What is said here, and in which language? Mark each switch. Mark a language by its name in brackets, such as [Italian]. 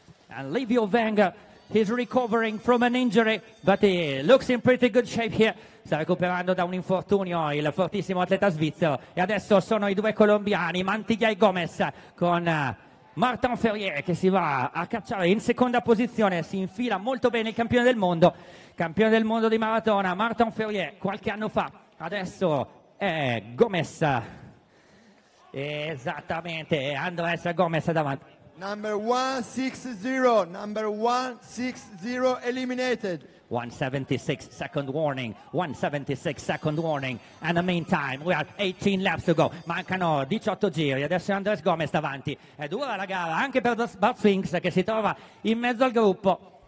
[English] And Livio Wenger, he's recovering from an injury, but he looks in pretty good shape here. [Italian] Sta recuperando da un infortunio il fortissimo atleta svizzero. E adesso sono i due colombiani, Mantilla e Gomez, con Martin Ferrier che si va a cacciare in seconda posizione. Si infila molto bene il campione del mondo di maratona, Martin Ferrier, qualche anno fa. Adesso è Gomez. Esattamente, Andrés Gomez davanti. [English] Number 160, number 160 eliminated. 176 second warning, 176 second warning. And in the meantime, we are 18 laps to go. [Italian] Mancano 18 giri, adesso Andrés Gomez davanti. È dura la gara anche per Bart Strings che si trova in mezzo al gruppo.